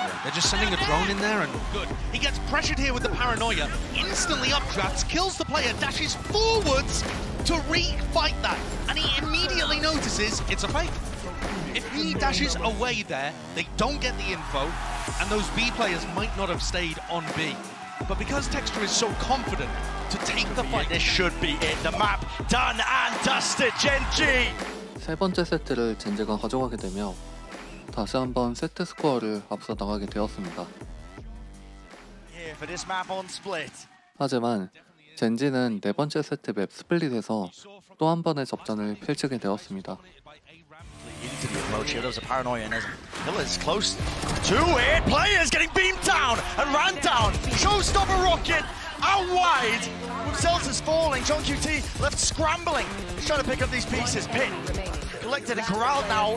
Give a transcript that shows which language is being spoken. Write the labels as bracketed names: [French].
[English] They're just sending a drone in there and good. He gets pressured here with the paranoia, instantly updrafts, kills the player, dashes forwards to re-fight that. And he immediately notices it's a fake. If he dashes away there, they don't get the info, and those B players might not have stayed on B. But because Texture is so confident to take the fight, this should be it. The map done and dusted, Gen.G. [Korean] 세 번째 세트를 젠지가 가져가게 되며 다시 한번 세트 스코어를 앞서 나가게 되었습니다. [English] Here for this map on split. [Korean] 하지만 젠지는 네 번째 세트 맵 스플릿에서 또 한 번의 접전을 펼치게 되었습니다. [English] Into the approach here, there's a paranoia and there's Killers close to it. Players getting beamed down and ran down. Showstopper rocket out wide. With Celtus falling, John QT left scrambling. He's trying to pick up these pieces. Pit collected and corralled now.